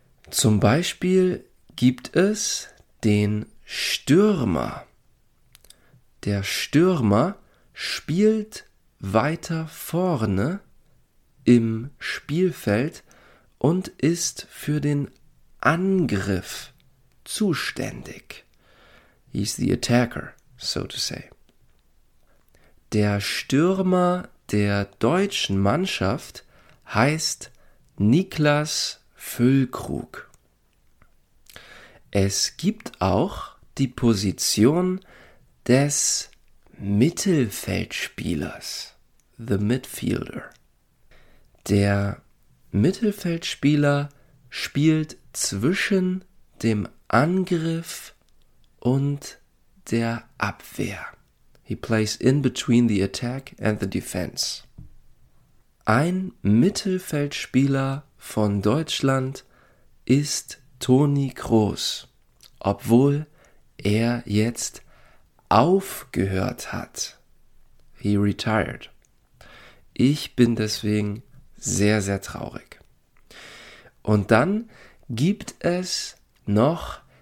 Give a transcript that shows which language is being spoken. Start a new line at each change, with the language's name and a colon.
German: Zum Beispiel gibt es den Stürmer. Der Stürmer spielt weiter vorne im Spielfeld und ist für den Angriff zuständig.
English: He's the attacker, so to say.
German: Der Stürmer der deutschen Mannschaft heißt Niklas Füllkrug. Es gibt auch die Position des Mittelfeldspielers,
English: the midfielder.
German: Der Mittelfeldspieler spielt zwischen dem Angriff und der Abwehr.
English: He plays in between the attack and the defense.
German: Ein Mittelfeldspieler von Deutschland ist Toni Kroos, obwohl er jetzt aufgehört hat.
English: He retired.
German: Ich bin deswegen sehr, sehr traurig. Und dann gibt es noch